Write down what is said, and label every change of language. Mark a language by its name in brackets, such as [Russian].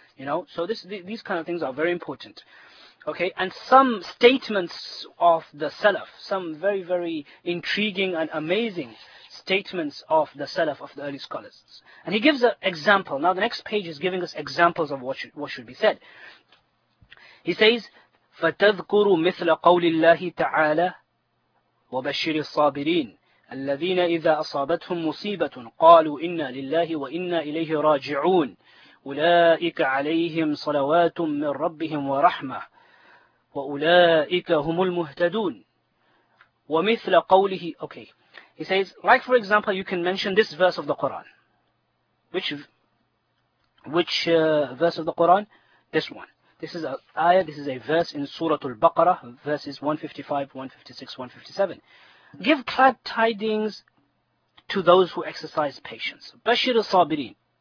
[English] You know, so these kind of things are very important. Okay, and some statements of the Salaf, some very, very intriguing and amazing statements of the Salaf, of the early scholars. And he gives an example. Now the next page is giving us examples of what should be said. He says, [Arabic] فَتَذْكُرُ مِثْلَ قَوْلِ اللَّهِ تَعَالَى وَبَشِّرِ الصَّابِرِينَ الذين إذا أصابتهم مصيبة قالوا إنا لله وإنا إليه راجعون أولئك عليهم صلوات من ربهم ورحمة وأولئك هم المهتدون ومثل قوله. [English] Okay, he says, like for example, you can mention this verse of the Quran. Which verse of the Quran? This one. This is an ayah, this is a verse in Surah Al-Baqarah, verses 155, 156, 157. Give glad tidings to those who exercise patience. Bashir al-Sabirin.